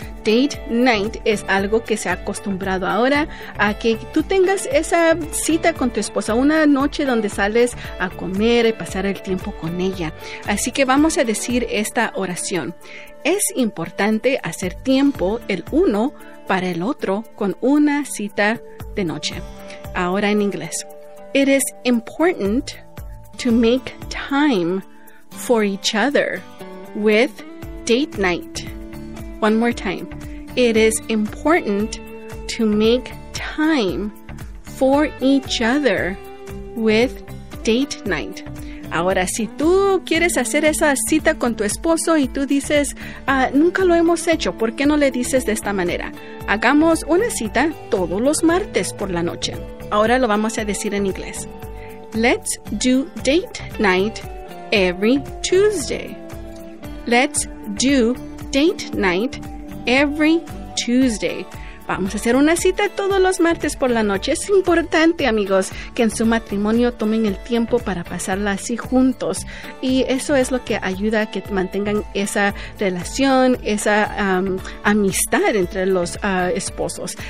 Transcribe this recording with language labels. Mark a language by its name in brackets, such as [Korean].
[Spanish] date night es algo que se ha acostumbrado ahora a que tú tengas esa cita con tu esposa, una noche donde sales a comer y pasar el tiempo con ella. Así que vamos a decir esta oración. Es importante hacer tiempo el uno para el otro con una cita de noche. Ahora en inglés. [English] It is important to make time for each other with date night. One more time. It is important to make time for each other with date night. [Spanish] Ahora, si tú quieres hacer esa cita con tu esposo y tú dices, nunca lo hemos hecho, ¿por qué no le dices de esta manera? Hagamos una cita todos los martes por la noche. Ahora lo vamos a decir en inglés. [English] Let's do date night every Tuesday. Let's do date night every Tuesday. [Spanish] Vamos a hacer una cita todos los martes por la noche. Es importante, amigos, que en su matrimonio tomen el tiempo para pasarla así juntos. Y eso es lo que ayuda a que mantengan esa relación, esa amistad entre los esposos.